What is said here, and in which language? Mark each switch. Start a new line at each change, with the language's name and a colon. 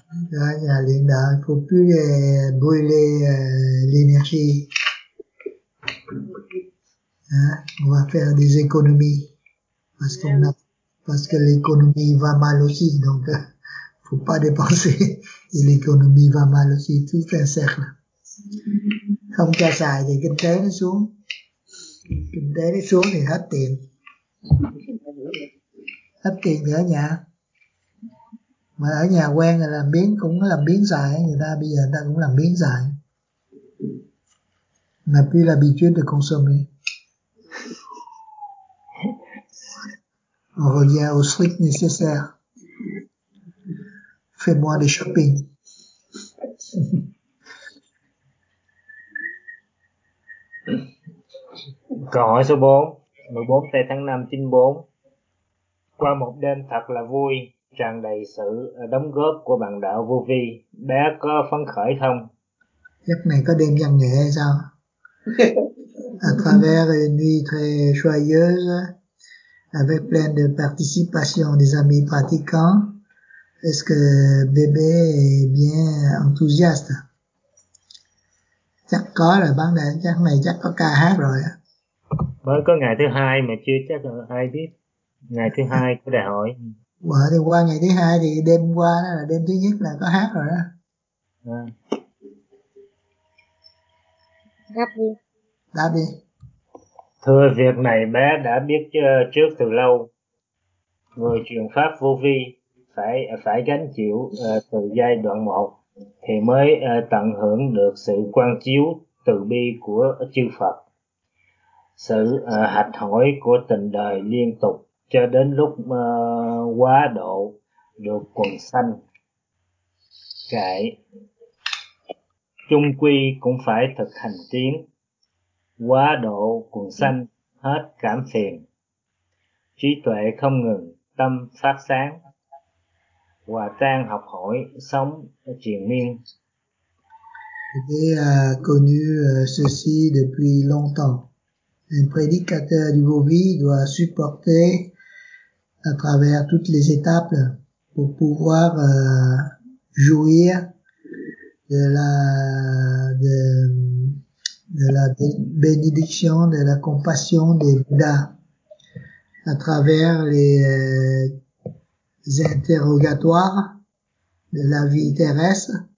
Vietnamese: Cho nhà luyện đạo,
French: il faut plus brûler l'énergie. On va faire des économies parce qu'on a, parce que l'économie va mal aussi, donc faut pas dépenser et l'économie va mal aussi, tout un cercle.
Vietnamese: Không cho xài thì kinh tế nó xuống. Kinh tế nó xuống thì hết tiền. Hết tiền thì ở nhà. Mà ở nhà quen rồi làm biến, cũng làm biến xài. Người ta bây giờ người ta cũng làm biến xài.
French: N'a plus l'habitude de consommer. On revient au strict nécessaire. Fais-moi des shopping.
Vietnamese: Câu hỏi số 4, 14 tây tháng 5, 94. Qua một đêm thật là vui, tràn đầy sự đóng góp của bạn đạo Vô Vi, bé có phấn khởi không? Giấc này có đêm văn nghệ hay sao?
French: À travers une nuit très joyeuse, avec plein de participation des amis pratiquants, est-ce que bébé est bien enthousiaste?
Vietnamese: Chắc có rồi, bán đề chắc này chắc có ca hát rồi á. Mới có ngày thứ hai mà chưa chắc là ai biết. Ngày thứ hai có đại hội. Bữa thì qua ngày thứ hai thì đêm qua đó là đêm thứ nhất là có hát rồi đó. À. Đáp đi. Đáp đi. Thưa, việc này bé đã biết trước từ lâu. Người truyền pháp vô vi phải gánh chịu từ giai đoạn một thì mới tận hưởng được sự quang chiếu từ bi của chư Phật. Sự hạch hỏi của tình đời liên tục cho đến lúc quá độ được quần sanh. Kệ, chung quy cũng phải thực hành tiến, quá độ quần sanh hết cảm phiền. Trí tuệ không ngừng, tâm phát sáng, hòa tan học hỏi, sống triền miên.
French: J'ai connu ceci depuis longtemps. Un prédicateur du Vovi doit supporter à travers toutes les étapes pour pouvoir jouir de la bénédiction, de la compassion des Bouddhas à travers les interrogatoires de la vie terrestre